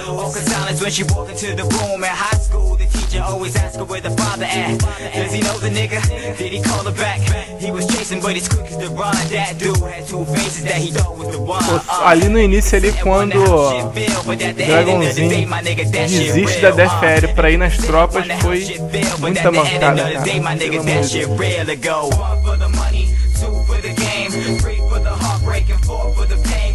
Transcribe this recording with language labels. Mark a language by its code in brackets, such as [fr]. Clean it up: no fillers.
[en] All cause silence when she walked into the room. At high school, the teacher always asked her where the father at. Does he know the nigga? Did he call her back? He was chasing, but he's quick as the run. That dude had two faces that he thought was the one. [pt] Ali no início, ali quando o Dragonzinho desiste da Death Fairy pra ir nas tropas, foi muita mancada, cara. [en] One for the money, two for the game, three for the heartbreak, and four for the pain.